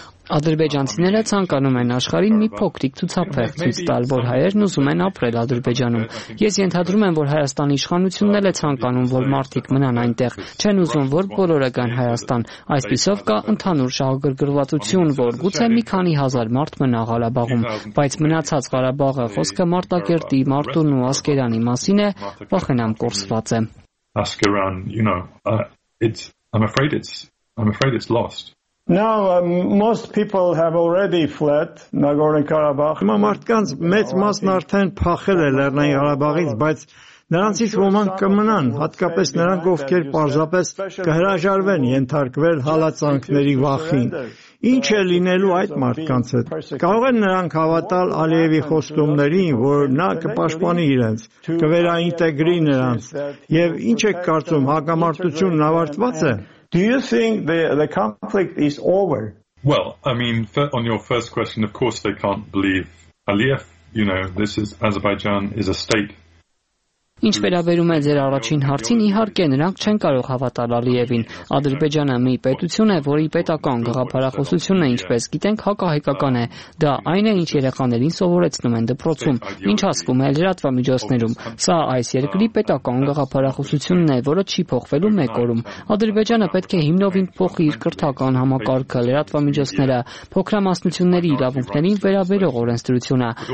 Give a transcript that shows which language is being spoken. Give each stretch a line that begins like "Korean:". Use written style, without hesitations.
Armenian: Ադրբեջանցիները ցանկանում են աշխարհին մի փոքրիկ ցուցափեղ ցույց տալ, որ հայերն ուզում են ապրել Ադրբեջանում։ Ես ենթադրում եմ, որ Հայաստանի իշխանությունն էլ է ցանկանում, որ մարդիկ մնան այնտեղ, չեն ուզում, որ բոլորը գան Հայաստան։ Այսպիսով կա ընդհանուր շահագրգռվածություն, որ գուցե մի քանի հազար մարդ մնա Ղարաբաղում, բայց մնացած Ղարաբաղը, խոսքը Մարտակերտի, Մարտունու ու Ասկերանի մասին է, վախենամ կորսված է։
English: Ասկերան, you know, I'm afraid it's lost. Now most people have already fled Nagorno-Karabakh.
Armenian: Մարդկանց մեծ մասն արդեն փախել է Լեռնային Ղարաբաղից, բայց նրանցից ոմանք կմնան, հատկապես նրանք, ովքեր պարզապես կհրաժարվեն ենթարկվել հալածանքների վախին։ Ինչ է լինելու այդ մարդկանց հետ։ Կարող են նրանք հավատալ Ալիևի խոստումներին, որ նա կպաշտպանի իրենց, կվերաինտեգրի նրանց։ Եվ ինչ եք կարծում, հակամարտությունն ավարտված է։
English: Do you think the conflict is over? Well, I mean, on your first question, of course they can't believe Aliyev. You know, this is Azerbaijan is a state.
Armenian: Ինչ վերաբերում է ձեր առաջին հարցին, իհարկե նրանք չեն կարող հավատալ Ալիևին։ Ադրբեջանը մի պետություն է, որի պետական գաղափարախոսությունը, ինչպես գիտենք, հակահայկական է։ Դա այն է, ինչ երեխաներին սովորեցնում են դպրոցում, ինչ ասվում է լրատվամիջոցներում։ Սա այս երկրի պետական գաղափարախոսությունն է, որը չի փոխվելու մեկ օրում։ Ադրբեջանը պետք է հիմնովին փոխի իր կրթական համակարգը, լրատվամիջոցները, փոքրամասնությունների իրավունքներին վերաբերող օրենսդրությունը։